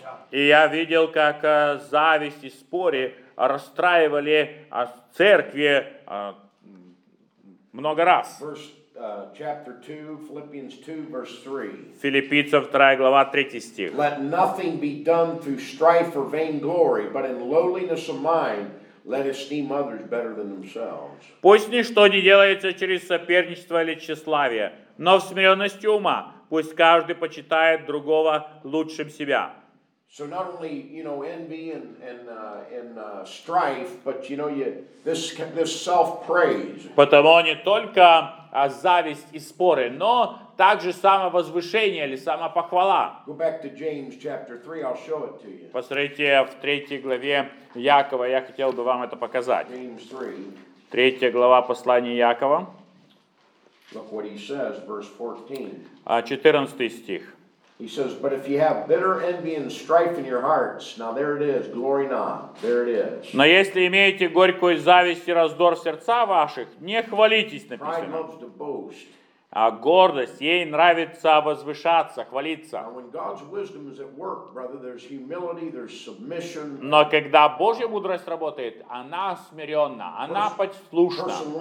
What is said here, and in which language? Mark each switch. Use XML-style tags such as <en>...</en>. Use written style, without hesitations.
<ru>И я видел, как зависть и споры расстраивали церкви много раз.</ru> <en>Chapter 2, Philippians 2, verse 3.</en> <ru>Филиппийцев 2 глава 3 стих.</ru> <en>Let nothing be done through strife or vainglory, but in lowliness of mind, let esteem others better than themselves.</en> <ru>Пусть ничто не делается через соперничество или тщеславие, но в смиренности ума, пусть каждый почитает другого лучшим себя.</ru> <en>So not only, you know, envy and strife, but you know, this self-praise.</en> <ru>Потому не только зависть и споры, но также самовозвышение или самопохвала.</ru> <en>Go back to James chapter 3, I'll show it to you.</en> <ru>Посмотрите в 3 главе Якова, я хотел бы вам это показать.</ru> <en>James 3.</en> <ru>3 глава послания Якова.</ru> <en>Look what he says, verse</en> <ru>14. 14 стих.</ru> <en>He says, but if you have bitter envy and strife in your hearts, now there it is, glory not, there it is.</en> <ru>Но если имеете горькую зависть и раздор в сердца ваших, не хвалитесь, написано.</ru> <en>Pride loves to boast.</en> <ru>А гордость, ей нравится возвышаться, хвалиться. Но когда Божья мудрость работает, она смиренна, она послушна.</ru>